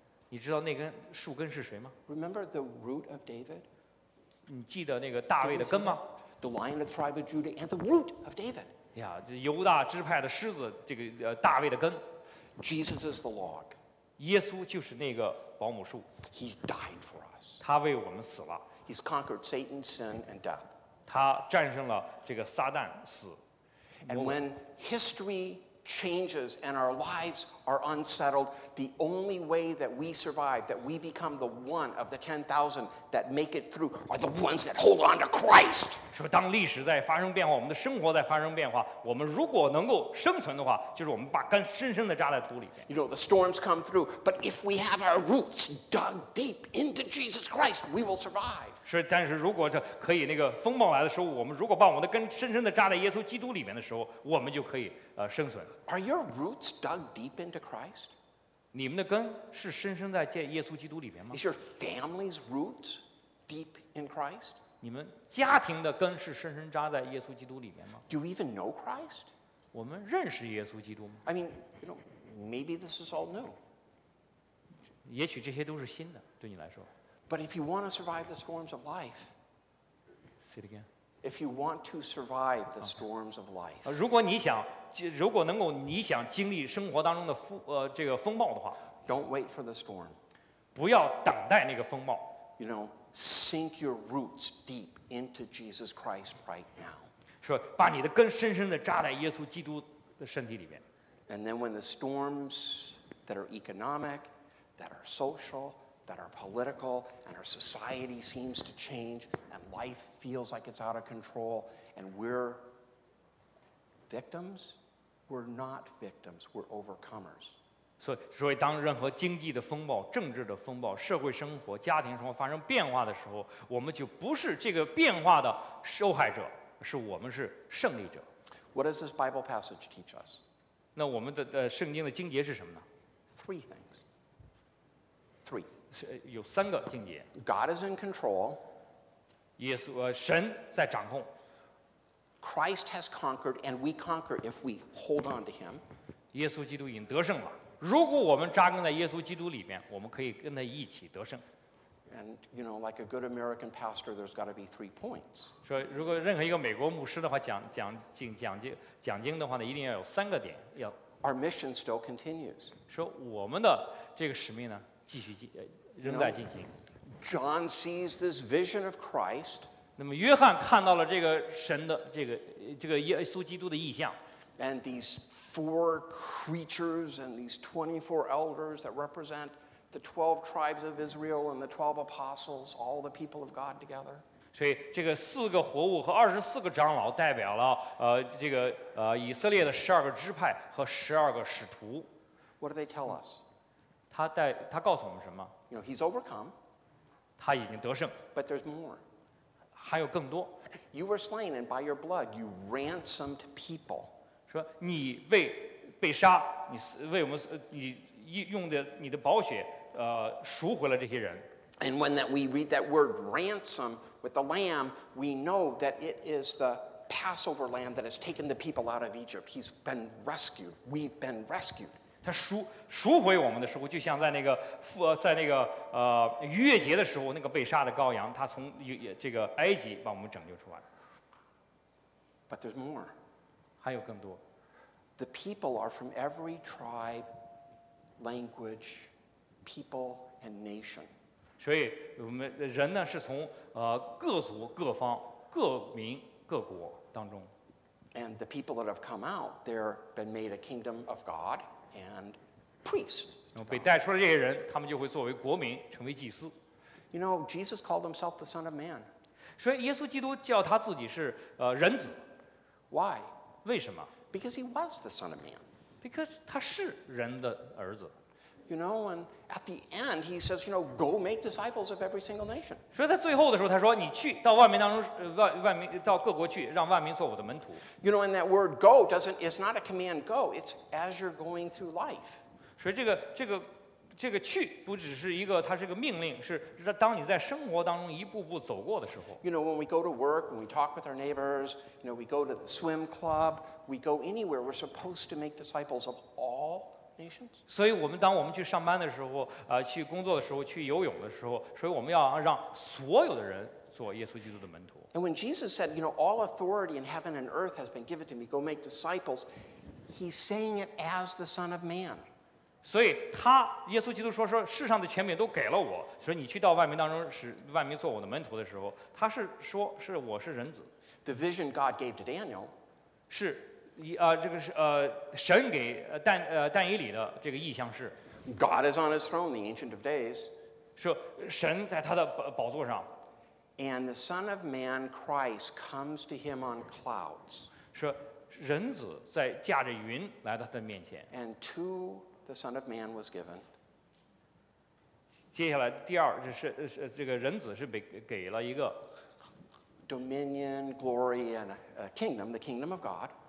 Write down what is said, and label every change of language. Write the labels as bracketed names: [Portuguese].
[Chinese] 你知道那根树根是谁吗？ [English] Remember the root of David? [Chinese] 你记得那个大卫的根吗？ [English] The lion of the tribe of Judah and the root of David. [Chinese] Yeah, 犹大支派的狮子，这个大卫的根。 [English] Jesus is the log. [Chinese] 耶稣就是那个保姆树。 [English] He died for us. [Chinese] 他为我们死了。 [English] He's conquered Satan, sin, and death. [Chinese] 他战胜了这个撒旦死。 [English] And when history changes and our lives are unsettled, the only way that we survive, that we become the one of the 10,000 that make it through, are the ones that hold on to Christ. [Chinese] 说当历史在发生变化，我们的生活在发生变化，我们如果能够生存的话，就是我们把根深深地扎在土里。 [English] You know, the storms come through, but if we have our roots dug deep into Jesus Christ, we will survive. [Chinese] 是，但是如果这可以，那个风暴来的时候，我们如果把我们的根深深地扎在耶稣基督里面的时候，我们就可以生存。 [English] Are your roots dug deep into Christ? [Chinese] 你们的根是深深在耶稣基督里面吗？ [English] Is your family's roots deep in Christ? [Chinese] 你们家庭的根是深深扎在耶稣基督里面吗？ [English] Do you even know Christ? [Chinese] 我们认识耶稣基督吗？ [English] I mean, you know, maybe this is all new. [Chinese] 也许这些都是新的，对你来说。 [English] But if you want to survive the storms of life, say it again. If you want to survive the storms of life, [Chinese] 如果你想如果能够你想经历生活当中的这个风暴的话， [English] don't wait for the storm. [Chinese] 不要等待那个风暴。 [English] You know, sink your roots deep into Jesus Christ right now. [Chinese] 说把你的根深深地扎在耶稣基督的身体里面。 [English] And then when the storms that are economic, that are social,that our political and our society seems to change and life feels like it's out of control and we're victims, we're not victims, we're overcomers. [Chinese] 所以当任何经济的风暴、政治的风暴、社会生活、家庭生活发生变化的时候，我们就不是这个变化的受害者，是我们是胜利者。 [English] What does this Bible passage teach us? [Chinese] 那我们的圣经的经节是什么呢？ [English] Three things. Three. [Chinese] 有三个境界。 [English] God is in control. [Chinese] 耶稣神在掌控。 [English] Christ has conquered, and we conquer if we hold on to Him. [Chinese] 耶稣基督已经得胜了。如果我们扎根在耶稣基督里面，我们可以跟他一起得胜。 [English] And you know, like a good American pastor, there's got to be three points. [Chinese] 说如果任何一个美国牧师的话讲经的话呢，一定要有三个点。要 [English] Our mission still continues. [Chinese] 说我们的这个使命呢？ [English] You know, John sees this vision of Christ. [Chinese] 那么约翰看到了这个神的这个耶稣基督的意象。 [English] And these four creatures and these 24 elders that represent the 12 tribes of Israel and the 12 apostles, all the people of God together. [Chinese] 所以这个四个活物和二十四个长老代表了以色列的十二个支派和十二个使徒。 [English] What do they tell us? [Chinese] 他告诉我们什么？ [English] You know, he's overcome. [Chinese] 他已经得胜。 [English] But there's more. [Chinese] 还有更多。 [English] You were slain, and by your blood you ransomed people. [Chinese] 说你为被杀，你为我们，你用的你的宝血，赎回了这些人。 [English] And when that we read that word ransom with the lamb, we know that it is the Passover lamb that has taken the people out of Egypt. He's been rescued. We've been rescued. [Chinese] 他赎回我们的时候，就像在那个逾越节的时候，那个被杀的羔羊，他从这个埃及把我们拯救出来。 [English] But there's more. [Chinese] 还有更多。 [English] The people are from every tribe, language, people, and nation. [Chinese] 所以我们人呢是从各族、各方、各民、各国当中。 [English] And the people that have come out, they've been made a kingdom of God. And priests. [Chinese] 被带出来这些人，他们就会作为国民，成为祭司。 [English] You know, Jesus called himself the Son of Man. [Chinese] 所以耶稣基督叫他自己是人子。 [English] Why? [Chinese] 为什么？ [English] Because he was the Son of Man. Because [Chinese] 他是人的儿子。 [English] You know, and at the end, he says, you know, go make disciples of every single nation. [Chinese] 所以在最后的时候，他说，你去到万民当中，万民到各国去，让万民做我的门徒。 [English] You know, and that word go doesn't, it's not a command go, it's as you're going through life. [Chinese] 所以这个去不只是一个，它是个命令，是当你在生活当中一步步走过的时候。 [English] You know, when we go to work, when we talk with our neighbors, you know, we go to the swim club, we go anywhere, we're supposed to make disciples of all. [Chinese] 所以我们当我们去上班的时候，去工作的时候，去游泳的时候，所以我们要让所有的人做耶稣基督的门徒。 [English] And when Jesus said, you know, all authority in heaven and earth has been given to me, go make disciples, he's saying it as the Son of Man. [Chinese] 所以他耶稣基督说世上的权柄都给了我，所以你去到万民当中使万民做我的门徒的时候，他是说是我是人子。 [English] The vision God gave to Daniel. [Chinese] 是。这个是神给但以理的这个意象是 [English] God is on his throne, the ancient of days. [Chinese] 说神在他的宝座上。 [English] And the Son of Man, Christ, comes to him on clouds. [Chinese] 说人子在驾着云来到他的面前。 [English] And to the Son of Man was given. [Chinese] 接下来第二就是这个人子是给了一个 [English] dominion, glory, and a kingdom, the kingdom of God.